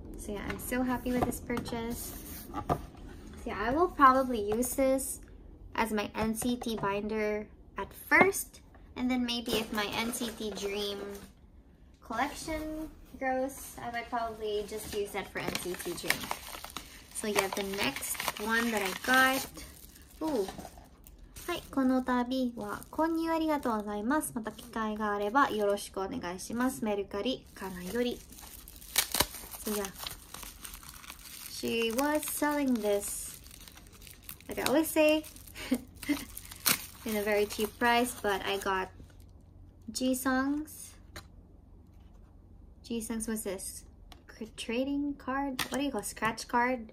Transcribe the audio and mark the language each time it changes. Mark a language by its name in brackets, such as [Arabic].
[English] So yeah, I'm so happy with this purchase. So yeah, I will probably use this as my NCT binder at first, and then maybe if my NCT Dream collection grows, I might probably just use that for NCT Dream. So yeah, the next one that I got. Ooh. [Japanese] はい、この度は購入ありがとうございます。また機会があればよろしくお願いします。メルカリかなより。 [English] So yeah. She was selling this, like I always say, in a very cheap price, but I got Jisung's. Jisung's was this trading card? What do you call it? Scratch card?